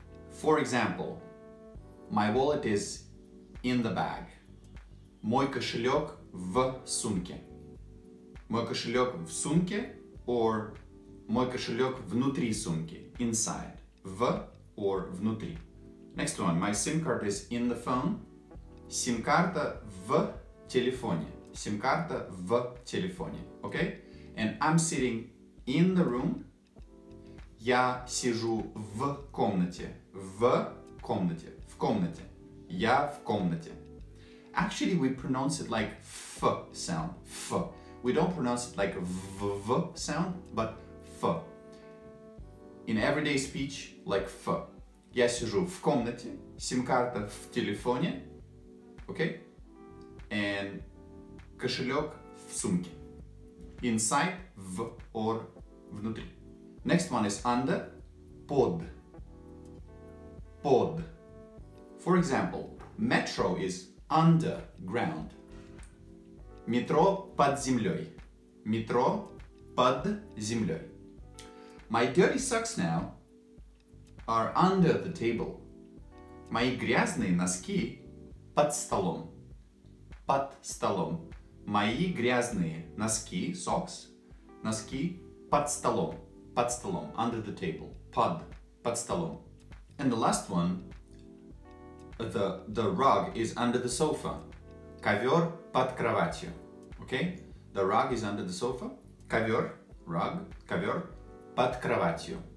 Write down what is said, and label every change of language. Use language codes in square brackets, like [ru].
[en] For example, my wallet is in the bag. [ru] Мой кошелек в сумке. Мой кошелек в сумке, or мой кошелек внутри сумки. [en] Inside. В, or внутри. Next one, my SIM card is in the phone. [ru] SIM-карта в телефоне. SIM-карта в телефоне. Okay? [en] And I'm sitting in the room. [ru] Я сижу в комнате. В комнате. В комнате. Я в комнате. [en] Actually, we pronounce it like F sound. F. We don't pronounce it like V sound, but F. In everyday speech, like F. [ru] Я сижу в комнате, сим-карта в телефоне, okay? And кошелек в сумке. Inside, в, or внутри. [en] Next one is under, под. Под. For example, metro is underground. [ru] Метро под землей. Метро под землей. [en] My dirty socks now are under the table. [ru] Мои грязные носки под столом. Под столом. Мои грязные носки, socks, носки под столом. Под столом, [en] under the table. [ru] Под, под столом. [en] And the last one, the rug is under the sofa. [ru] Ковер под кроватью. [en] Okay? The rug is under the sofa. [ru] Ковер, rug, ковер под кроватью.